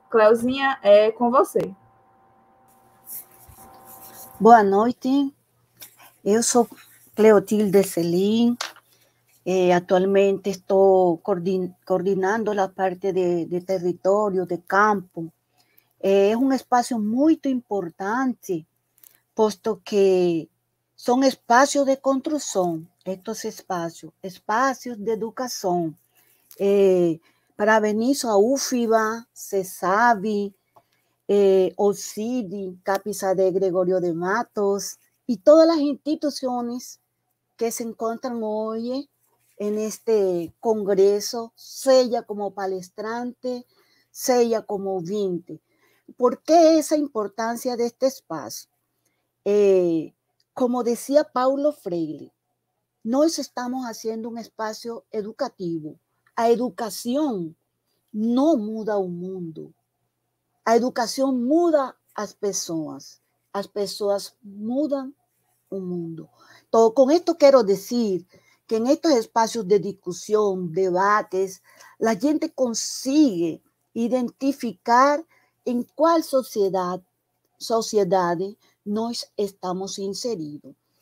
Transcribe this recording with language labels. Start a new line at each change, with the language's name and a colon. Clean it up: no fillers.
Portuguese: Cléozinha, é com você. Boa noite. Eu sou Cleotilde Celim. Atualmente estou coordinando a parte de território, de campo.
Spanish: Es un espacio muy importante, puesto que son espacios de construcción, estos espacios de educación. Para venir a UFIBA, CESAVI, OCIDI, CAPISA de Gregorio de Matos y todas las instituciones que se encuentran hoy en este congreso, sea como palestrante, sea como ouvinte. ¿Por qué esa importancia de este espacio? Como decía Paulo Freire, nosotros estamos haciendo un espacio educativo. La educación
Portuguese: não muda o mundo. A educação muda as pessoas. As pessoas mudam o mundo. Então, com isso, quero dizer que em estes espaços de discussão, debates, a gente consegue identificar em qual sociedade nós estamos inseridos.